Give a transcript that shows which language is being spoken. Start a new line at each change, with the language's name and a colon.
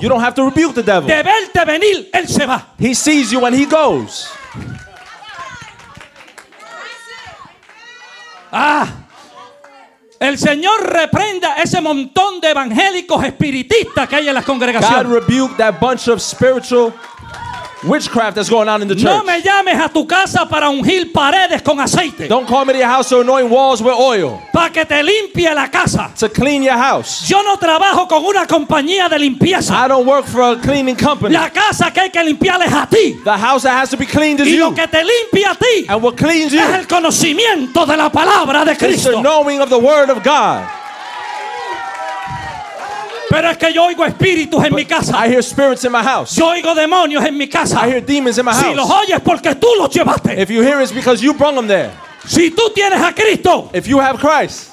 English: You don't have to rebuke the devil.
Spanish: De verte venir, él se va.
English: He sees you when he goes.
Spanish: Ah, el Señor reprenda ese montón de evangélicos espiritistas que hay en las congregaciones.
English: God rebuke that bunch of spiritual witchcraft that's going on in the church.
Spanish: No me llames a tu casa para ungir paredes con aceite.
English: Don't call me to your house to anoint walls with oil.
Spanish: Para que te limpie la casa.
English: To clean your house.
Spanish: Yo no trabajo con una compañía de limpieza.
English: I don't work for a cleaning company.
Spanish: La casa que hay que limpiar es a ti.
English: The house that has to be cleaned is
Spanish: y
English: you.
Spanish: Y lo que te limpia a ti.
English: And what cleans you.
Spanish: Es el conocimiento de la palabra de Cristo.
English: It's the knowing of the word of God.
Spanish: Pero es que yo oigo espíritus en
English: But
Spanish: mi casa.
English: I hear spirits in my house.
Spanish: Yo oigo demonios en mi casa.
English: I hear demons in my house.
Spanish: Si los oyes porque tú los llevaste.
English: If you hear it's because you brought them there.
Spanish: Si tú tienes a Cristo.
English: If you have Christ.